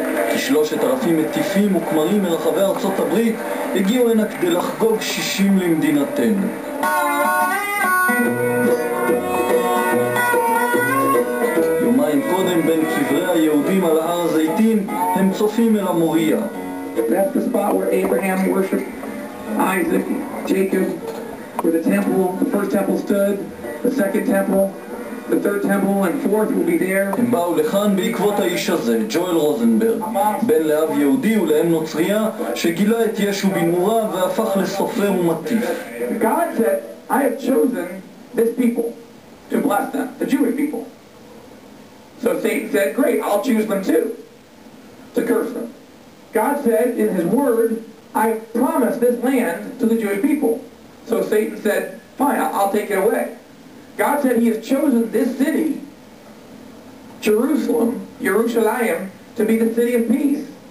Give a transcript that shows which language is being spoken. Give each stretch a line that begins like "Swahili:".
Hebrew: כ3,000 מטיפים וכמרים מרחבי ארצות הברית הגיעו הנה כדי לחגוג 60 למדינתנו. קודם בין קברי היהודים על הר הזיתים הם צופים אל המוריה.
English: That's the spot where Abraham worshiped Isaac, Jacob, where the temple, the first temple stood, the second temple, the third temple and fourth will be there.
Hebrew: הם באו לכאן בעקבות האיש הזה, ג'ואל רוזנברג, בן לאב יהודי ולאם נוצריה, שגילה את ישו במורה והפך לסופר ומטיף.
English: God said, I have chosen this people to bless them, the Jewish people. So Satan said, great, I'll choose them too, to curse them. God said in his word, I promised this land to the Jewish people. So Satan said, fine, I'll take it away. God said he has chosen this city, Jerusalem, Yerushalayim, to be the city of peace.